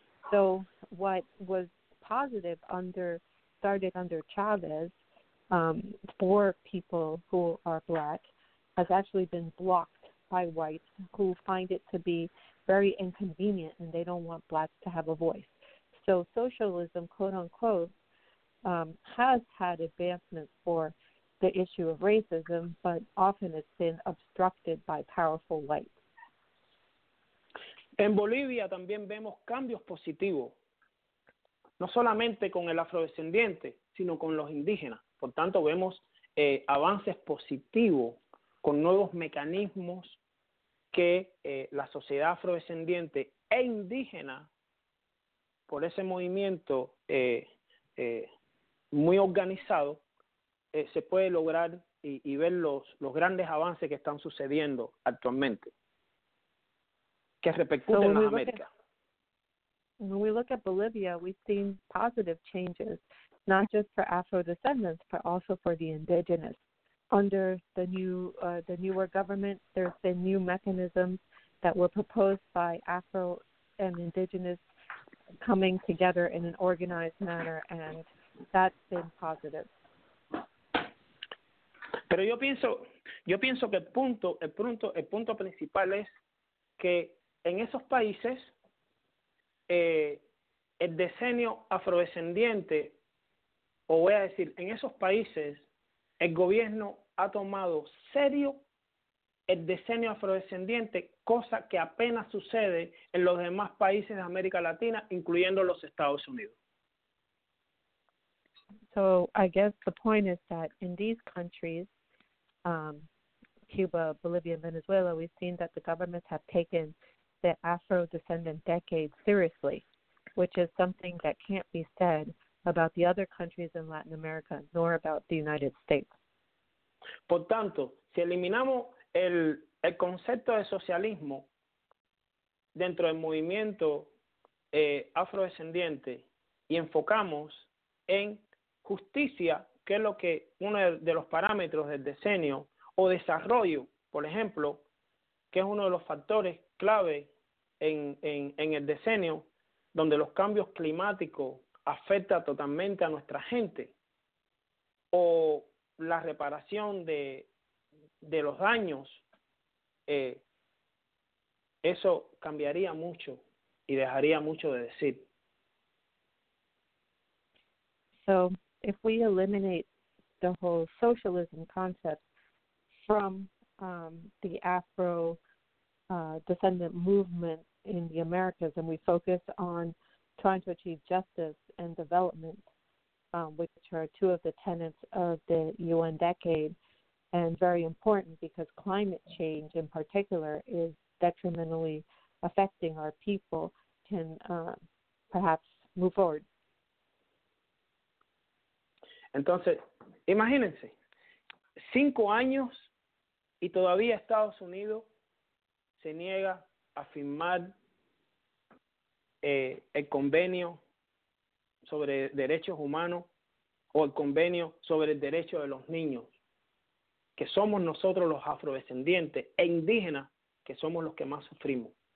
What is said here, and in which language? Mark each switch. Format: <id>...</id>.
<en>So what was positive started under Chavez for people who are black has actually been blocked by whites who find it to be very inconvenient and they don't want blacks to have a voice. So socialism, quote unquote, has had advancements for the issue of racism, but often it's been obstructed by powerful whites.</en> <es>En Bolivia también vemos cambios positivos, no solamente con el afrodescendiente, sino con los indígenas. Por tanto, vemos avances positivos con nuevos mecanismos que la sociedad afrodescendiente e indígena, por ese movimiento muy organizado, se puede lograr y ver los grandes avances que están sucediendo actualmente, que repercuten en América.</es> <en>When we look at Bolivia, we've seen positive changes, not just for Afro-descendants, but also for the indigenous. Under the newer government, there's been new mechanisms that were proposed by Afro and Indigenous coming together in an organized manner, and that's been positive.</en> <es>Pero yo pienso que el punto principal es que en esos países, el decenio afrodescendiente, o voy a decir, en esos países, el gobierno ha tomado serio el decenio afrodescendiente, cosa que apenas sucede en los demás países de América Latina, incluyendo los Estados Unidos.</es> <en>So I guess the point is that in these countries, Cuba, Bolivia, and Venezuela, we've seen that the governments have taken the Afro-descendant decade seriously, which is something that can't be said about the other countries in Latin America, nor about the United States.</en> <es>Por tanto, si eliminamos el concepto de socialismo dentro del movimiento afrodescendiente y enfocamos en justicia, que es lo que uno de los parámetros del decenio, o desarrollo, por ejemplo, que es uno de los factores clave en el decenio, donde los cambios climáticos afecta totalmente a nuestra gente, o la reparación de los daños, eso cambiaría mucho y dejaría mucho de decir.</es> <en>So, if we eliminate the whole socialism concept from the Afro descendant movement in the Americas, and we focus on trying to achieve justice and development, which are two of the tenets of the UN decade, and very important because climate change in particular is detrimentally affecting our people, can perhaps move forward.</en> <es>Entonces, imagínense, 5 años y todavía Estados Unidos se niega a firmar el convenio sobre derechos humanos o el convenio sobre el derecho de los niños, que somos nosotros los afrodescendientes e indígenas, que somos los que más sufrimos.</es>